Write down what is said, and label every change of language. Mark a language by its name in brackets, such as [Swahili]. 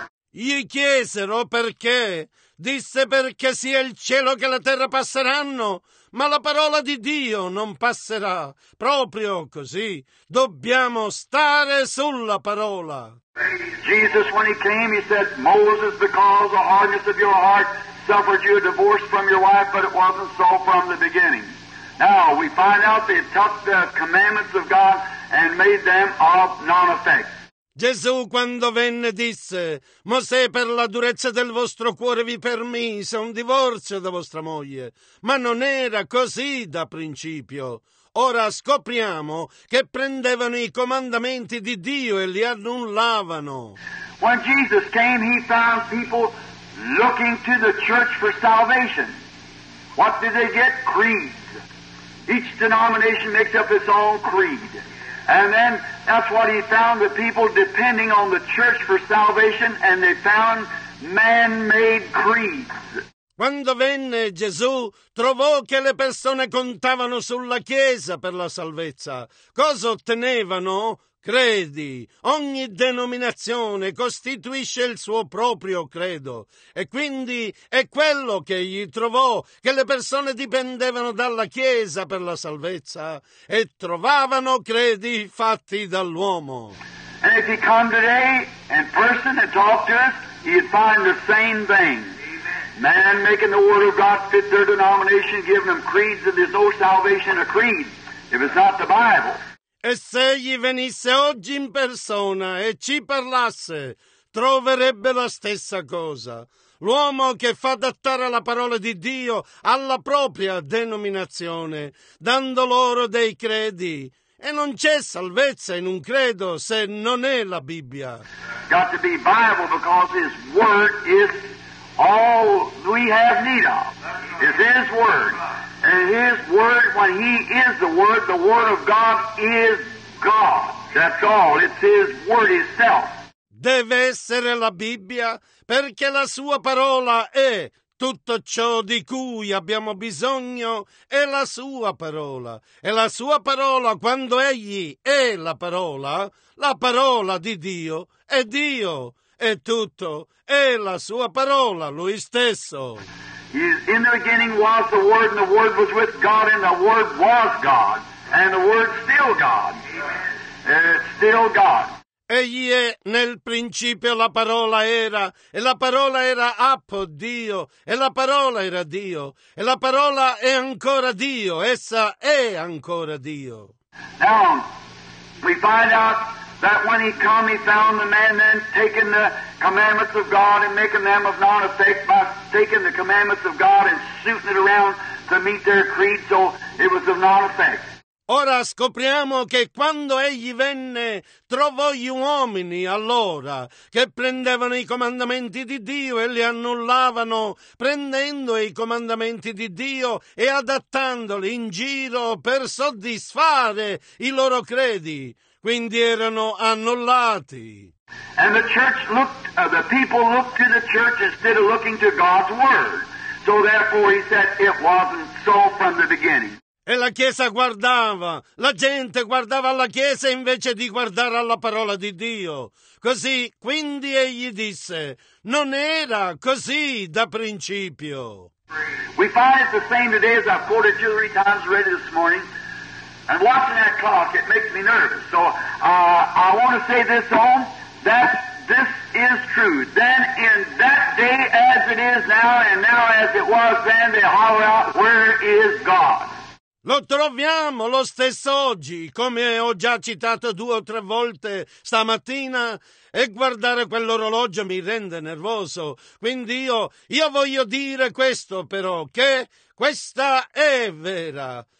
[Italian] Gli chiesero perché. Disse perché sia il cielo che la terra passeranno, ma la parola di Dio non passerà. Proprio così, dobbiamo stare sulla parola. [English] Jesus, when he came, he said, Moses, because of the hardness of your heart, suffered you a divorce from your wife, but it wasn't so from the beginning. Now, we find out they took the commandments of God and made them of non-effect. [Italian] Gesù, quando venne, disse, Mosè, per la durezza del vostro cuore vi permise un divorzio da vostra moglie, ma non era così da principio. Ora scopriamo che prendevano i comandamenti di Dio e li annullavano. [English] When Jesus came, he found people looking to the church for salvation. What did they get? Creed. Each denomination makes up its own creed. And then that's what he found, the people depending on the church for salvation, and they found man-made creeds. [Italian] Quando venne Gesù, trovò che le persone contavano sulla Chiesa per la salvezza. Cosa ottenevano? Credi. Ogni denominazione costituisce il suo proprio credo. E quindi è quello che egli trovò, che le persone dipendevano dalla Chiesa per la salvezza e trovavano credi fatti dall'uomo. [English] And if he come today in person and talk to us, he'd find the same thing. Man making the word of God fit their denomination, giving them creeds, and there's no salvation a creed if it's not the Bible. [Italian] E se egli venisse oggi in persona e ci parlasse, troverebbe la stessa cosa. L'uomo che fa adattare la parola di Dio alla propria denominazione, dando loro dei credi. E non c'è salvezza in un credo se non è la Bibbia. [English] Got to be Bible because His Word is all we have need of. It's His Word. And His Word, when He is the Word of God is God. That's all. It's His Word itself. [Italian] Deve essere la Bibbia, perché la Sua parola è tutto ciò di cui abbiamo bisogno, è la Sua parola. E la Sua parola, quando Egli è la parola di Dio è Dio. È tutto, è la Sua parola, Lui stesso. [English] In the beginning was the Word, and the Word was with God, and the Word was God, and the Word still God. It's still God. [Italian] Egli è nel principio la parola era, e la parola era appo Dio, e la parola era Dio, e la parola è ancora Dio, essa è ancora Dio. [English] Now, we find out that when he come, he found the man then taking the commandments of God and making them of non-effect by taking the commandments of God and shooting it around to meet their creed, so it was of non-effect. [Italian] Ora scopriamo che quando egli venne, trovò gli uomini allora che prendevano i comandamenti di Dio e li annullavano, prendendo i comandamenti di Dio e adattandoli in giro per soddisfare i loro credi. Quindi erano annullati. [English] And the church looked, the people looked to the church instead of looking to God's word. So therefore he said it wasn't so from the beginning. [Italian] E la chiesa guardava, la gente guardava alla chiesa invece di guardare alla parola di Dio. Così, quindi egli disse, non era così da principio. [English] We find it the same today as I've quoted you three times already this morning. And watching that clock, it makes me nervous. So I want to say this on, that this is true. Then in that day as it is now, and now as it was then, they holler out, where is God? [Italian] Lo troviamo lo stesso oggi, come ho già citato due o tre volte stamattina, e guardare quell'orologio mi rende nervoso. Quindi io voglio dire questo però, che questa è vera.